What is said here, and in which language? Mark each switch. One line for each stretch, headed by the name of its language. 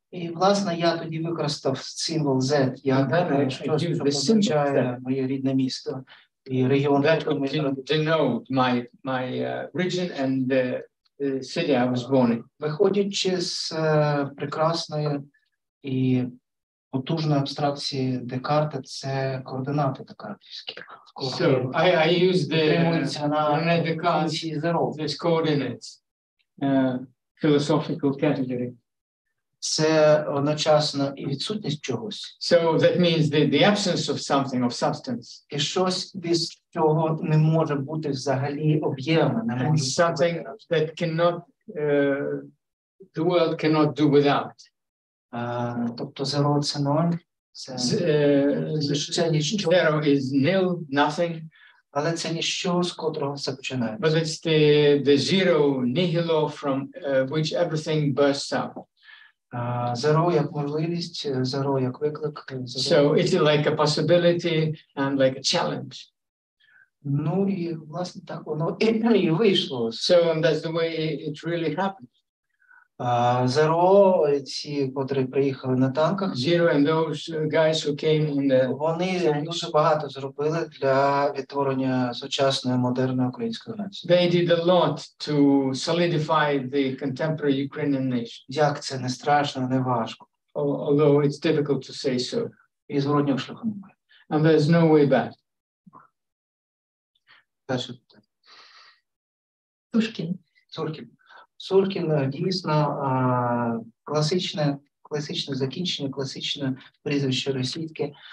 Ukrainian: І, власне, я тоді використав символ Z, як щось, що означає моє рідне місто.
English: That would denote my region and the city I was born in.
Ukrainian: Виходячи з прекрасної і потужної абстракції Декарта, це координати декартівські.
English: So I use the
Ukrainian: Рене Декарт,
English: this coordinates, philosophical category.
Ukrainian: Це одночасно і відсутність чогось.
English: So that means the absence of something, of substance.
Ukrainian: І щось, без чого не може бути взагалі об'ємно.
English: And something that cannot, the world cannot do without.
Ukrainian: Тобто zero – це ноль. Це ніщо.
English: Zero is nil, nothing.
Ukrainian: Але це ніщо, з котрого все починається.
English: But it's the zero, nihilo, from which everything bursts out.
Ukrainian: Zero як можливість, zero як виклик.
English: So it's like a possibility and like a challenge.
Ukrainian: Ну і власне так воно і вийшло.
English: So and that's the way it really happened.
Ukrainian: Zero, ці, котрі приїхали на танках.
English: Zero and those guys who came in the...
Ukrainian: Вони дуже багато зробили для відтворення сучасної модерної української нації.
English: They did a lot to solidify the contemporary Ukrainian nation.
Ukrainian: Як це не страшно, не важко.
English: Although it's difficult to say so.
Ukrainian: І зворотнього шляху немає.
English: And there's no way back.
Ukrainian: Перше питання. Пушкін. Цуркін. Цуркін дійсно класичне закінчення, класичне прізвище російське.